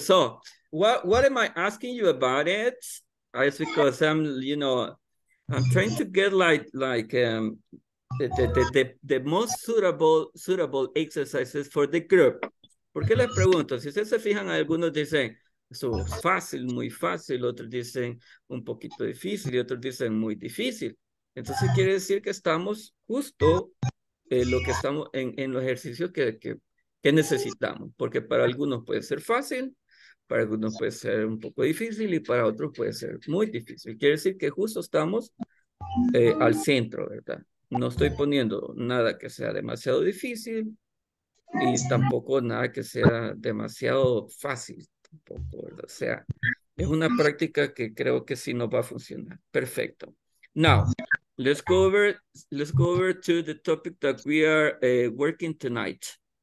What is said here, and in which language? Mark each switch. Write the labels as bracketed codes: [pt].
[en] So what am I asking you about it? It's because I'm, you know, I'm trying to get the most suitable exercises for the group. [es] ¿Por qué les pregunto? Si ustedes se fijan, algunos dicen, eso es fácil, muy fácil. Otros dicen, un poquito difícil. Y otros dicen, muy difícil. Entonces, quiere decir que estamos justo lo que estamos en los ejercicios que necesitamos. Porque para algunos puede ser fácil, para algunos puede ser un poco difícil y para otros puede ser muy difícil. Quiere decir que justo estamos al centro, ¿verdad? No estoy poniendo nada que sea demasiado difícil y tampoco nada que sea demasiado fácil tampoco, ¿verdad? O sea, es una práctica que creo que sí nos va a funcionar. Perfecto. [en] Now, let's go over to the topic that we are working tonight.